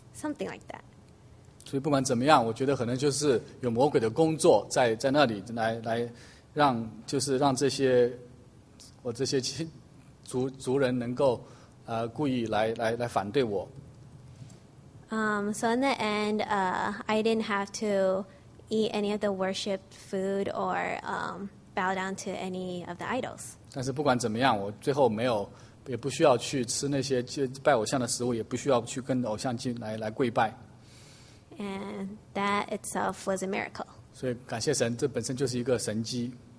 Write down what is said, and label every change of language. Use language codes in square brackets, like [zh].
[en] Something like that. [zh] 所以不管怎么样，我觉得可能就是有魔鬼的工作在那里来让就是让这些我这些族人能够故意来反对我。 [en] So in the end, I didn't have to eat any of the worshipped food or bow down to any of the idols. [zh] 但是不管怎么样，我最后没有，也不需要去吃那些拜偶像的食物，也不需要去跟偶像来跪拜。 [en] And that itself was a miracle. [zh] 所以感谢神，这本身就是一个神迹。